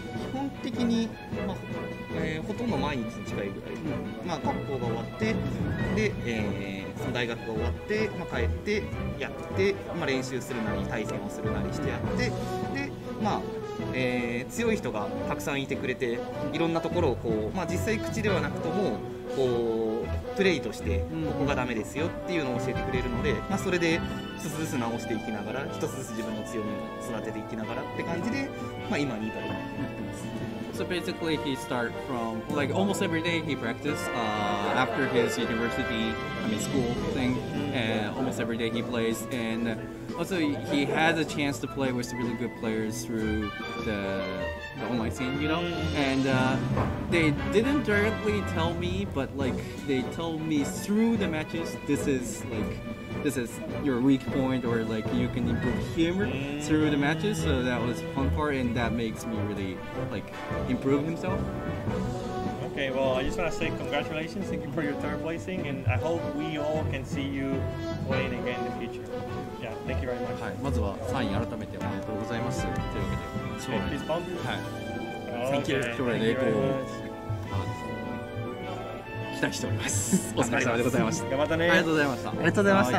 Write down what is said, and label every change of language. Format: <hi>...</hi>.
<ja>基本的に、まあほとんど毎日近いぐらい、まあ、学校が終わってで、その大学が終わって、まあ、帰ってやって、まあ、練習するなり対戦をするなりしてやってで、まあ強い人がたくさんいてくれていろんなところをこう、まあ、実際口ではなくともこうプレイとしてここがダメですよっていうのを教えてくれるので、まあ、それで一つずつ直していきながら一つずつ自分の強みを育てていきながらって感じで、まあ、今に至るようになってます。</ja> <en>So basically he start from like almost every day he practice after his school thing and almost every day he plays and also he has a chance to play with really good players through the the online scene, you know? And they didn't directly tell me, but like they told me through the matches, this is like, this is your weak point, or like you can improve humor through the matches. So that was fun part, and that makes me really like improve himself. Okay, well, I just want to say congratulations, thank you for your third placing, and I hope we all can see you playing again in the future. Yeah, thank you very much.</en> <ja>はい、まずは3位改めておめでとうございます。というわけで、将来、はい、</ja> <en>thank you.</en> <ja>将来の栄光を期待しております。お疲れ様でございました。頑張ったね。ありがとうございました。ありがとうございました。</ja>